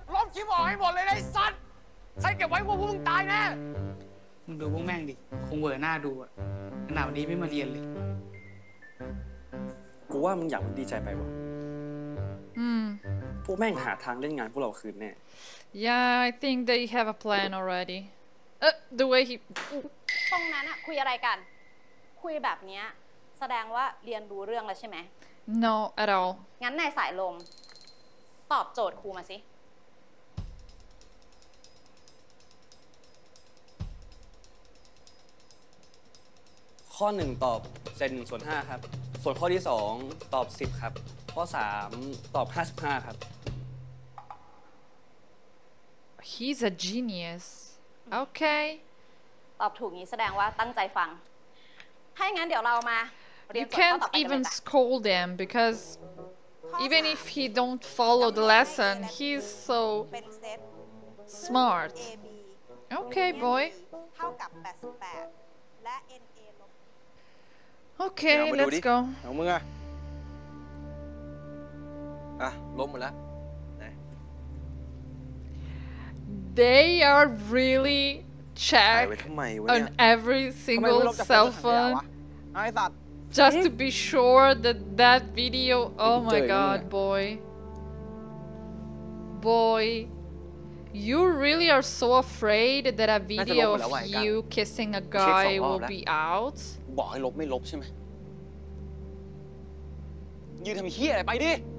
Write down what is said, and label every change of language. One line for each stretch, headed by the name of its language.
Thai: ล้อมคีย์บอร์ดให้หมดเลยไอ้สัตว์ใครเก็บไว้พวกมึงตายแน่มึงดูพวกแม่งดิคงเบื่อหน้าดูอ่ะขนาดนี้ไม่มาเรียนเลย กูว่ามึงอยากมันดีใจไปวะพวกแม่งหาทางเล่นงานพวกเราคืนแน่
English: Yeah I think they have a plan already the way he
Thai: ตรงนั้นอะคุยอะไรกันคุยแบบเนี้ยแสดงว่าเรียนรู้เรื่องแล้วใช่ไหม
English: No at all
Thai: งั้นนายสายลมตอบโจทย์ครูมาสิ ข้อ1ตอบเซน1ส่วน5ครับส่วนข้อที่2ตอบ10ครับข้อ3ตอบ55ครับ
English: He's a genius. Okay.
Thai: ตอบถูกงี้แสดงว่าตั้งใจฟังถ้าอย่างนั้นเดี๋ยวเรามาเรียน
English: ต่อ You can't even scold them because even if he don't follow the lesson, he's so smart. Okay, boy.
Thai: เท่ากับ88และ NA ลบ
English: Okay, let's go.
Thai: เอามึงอ่ะอ่ะล้มหมดแล้วไ
English: หน They are really checked on every single cell phone just to be sure that that video oh my god boy you really are so afraid that a video of you kissing a guy will be out
Thai: บอกให้ลบไม่ลบใช่ไหมยืนทำเหี้ยอะไรไปดิ